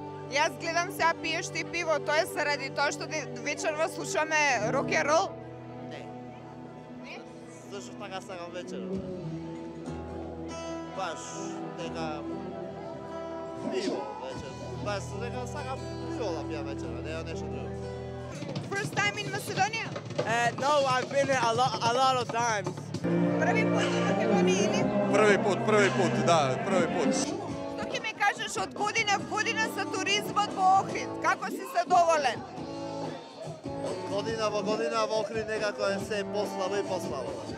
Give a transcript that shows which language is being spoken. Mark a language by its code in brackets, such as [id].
[mk] Јас гледам сега пиеш ти пиво, тоа е заради тоа што вечерва слушаме рок н рол. Не. Зошто така сакам вечерва? Баш дека пиво вечерва. Баш дека сакам пиво да пиам вечерва, не е нешто друго. [en] First time in Macedonia? No, I've been here a lot of times. [mk] Први пат во Македонија или? Први пат, да, први пат. Од година в година со туризмот во Охрид. Како си задоволен? Од година во Охрид некако е се послабо и послабо.